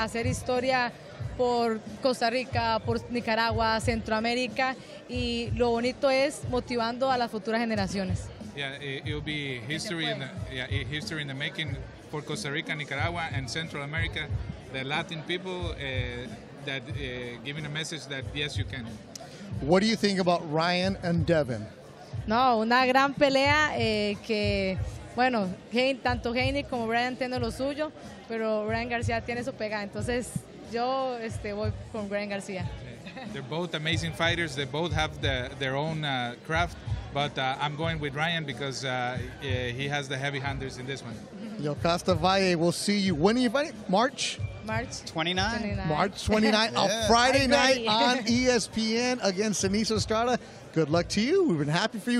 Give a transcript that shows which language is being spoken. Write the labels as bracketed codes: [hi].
[es] Hacer historia por Costa Rica, por Nicaragua, Centroamérica, y lo bonito es motivando a las futuras generaciones. [en] Yeah, it will be history in the history in the making for Costa Rica, Nicaragua, and Central America, the Latin people, that giving a message that yes, you can. What do you think about Ryan and Devin? [es] No, una gran pelea que bueno, tanto Haney como Ryan tienen lo suyo, pero Ryan García tiene su pega, entonces yo voy con Ryan García. [en] Yeah. They're both amazing fighters. They both have their own craft. But I'm going with Ryan because he has the heavy handers in this one. Yo Costa Valle, we'll see you. When are you fighting? March? March 29. March 29, yeah. A Friday night on ESPN against Denise Estrada. Good luck to you. We've been happy for you.